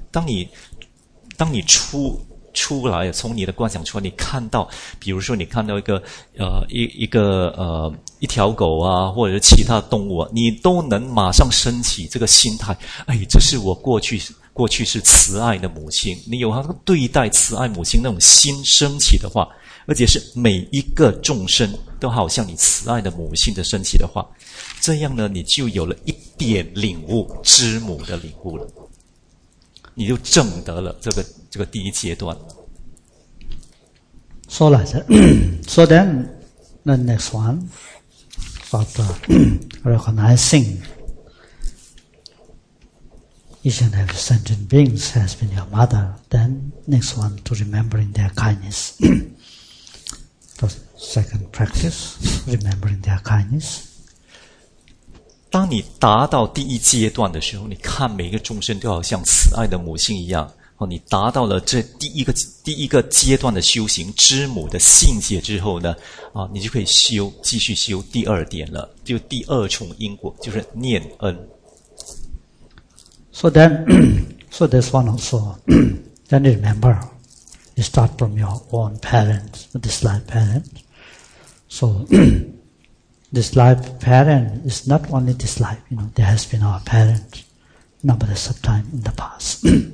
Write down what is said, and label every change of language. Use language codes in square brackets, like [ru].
[zh] 当你出来，从你的观想出来，你看到，比如说你看到一条狗啊，或者是其他动物啊，你都能马上升起这个心态，哎，这是我过去是慈爱的母亲，你有他对待慈爱母亲那种心升起的话，而且是每一个众生都好像你慈爱的母亲的升起的话，这样呢，你就有了一点领悟知母的领悟了。你就证得了这个第一阶段。 [en] So that, so then, the next one, about recognizing each and every sentient beings has been your mother. Then next one to remembering their kindness. The second practice, remembering their kindness. [zh] 当你达到第一阶段的时候，你看每一个众生都好像慈爱的母亲一样，你达到了这第一个阶段的修行知母的信解之后呢，你就可以继续修第二点了，就第二重因果，就是念恩。 [en] So this one also, then you remember, you start from your own parents, this life parents. So,This life parent is not only this life, you know, there has been our parent numberless of time in the past.